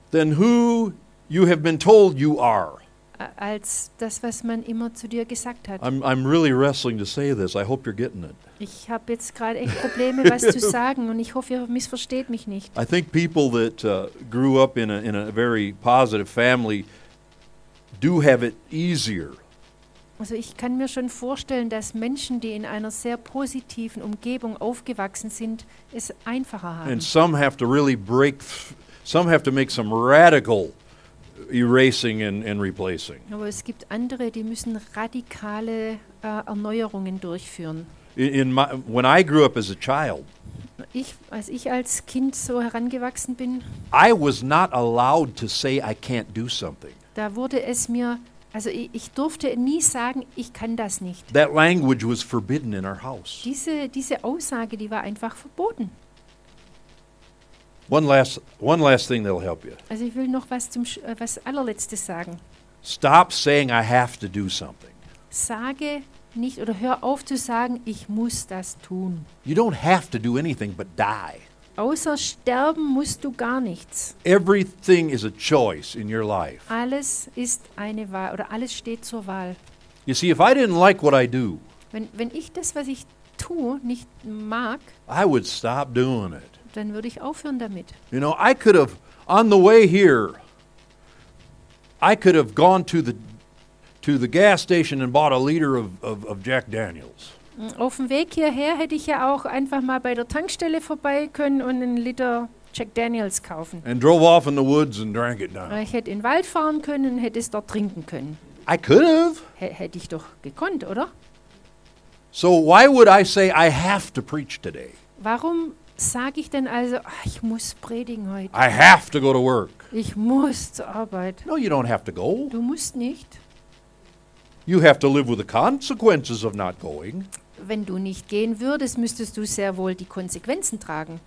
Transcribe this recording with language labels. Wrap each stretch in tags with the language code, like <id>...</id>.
<en>Than who you have been told you are.</en> <de>Als das, was man immer zu dir gesagt hat.</de> <en>I'm really wrestling to say this. I hope you're getting it.</en> <de>Ich habe jetzt gerade echt Probleme, was zu sagen, und ich hoffe, ihr missversteht mich nicht.</de> <en>I think people that grew up in a very positive family do have it easier.</en> <de>Also ich kann mir schon vorstellen, dass Menschen, die in einer sehr positiven Umgebung aufgewachsen sind, es einfacher haben.</de> <en>And some have to really break, some have to make some radical erasing and replacing.</en> <de>Aber es gibt andere, die müssen radikale Erneuerungen durchführen.</de> <en>When I grew up as a child,</en> <de>als ich als Kind so herangewachsen bin,</de> <en>I was not allowed to say I can't do something.</en> <de>Da wurde es mir, also ich durfte nie sagen, ich kann das nicht.</de> <en>That language was forbidden in our house.</en> <de>Diese Aussage, die war einfach verboten.</de> <en>One last thing that'll help you.</en> <de>Also ich will noch was was allerletztes sagen.</de> <en>Stop saying I have to do something.</en> <de>Sage nicht oder hör auf zu sagen, ich muss das tun.</de> <en>You don't have to do anything but die.</en> <de>Außer sterben musst du gar nichts.</de> <en>Everything is a choice in your life.</en> <de>Alles ist eine Wahl oder alles steht zur Wahl.</de> <en>You see, if I didn't like what I do,</en> <de>wenn ich das, was ich tue, nicht mag,</de> <en>I would stop doing it.</en> <de>Dann würde ich aufhören damit.</de> <en>You know, I could have on the way here, I could have gone to the gas station and bought a liter of Jack Daniels.</en> <de>Auf dem Weg hierher hätte ich ja auch einfach mal bei der Tankstelle vorbei können und einen Liter Jack Daniels kaufen.</de> <en>And drove off in the woods and drank it down.</en> <de>Ich hätte in den Wald fahren können und hätte es dort trinken können.</de> <en>I could have.</en> <de>Hätte ich doch gekonnt, oder?</de> <en>So why would I say I have to preach today?</en> <de>Warum sage ich denn also, ich muss predigen heute?</de> <en>I have to go to work.</en> <de>Ich muss zur Arbeit.</de> <en>No, you don't have to go.</en> <de>Du musst nicht.</de> <en>You have to live with the consequences of not going.</en> <de>Wenn du nicht gehen würdest, müsstest du sehr wohl die Konsequenzen tragen.</de>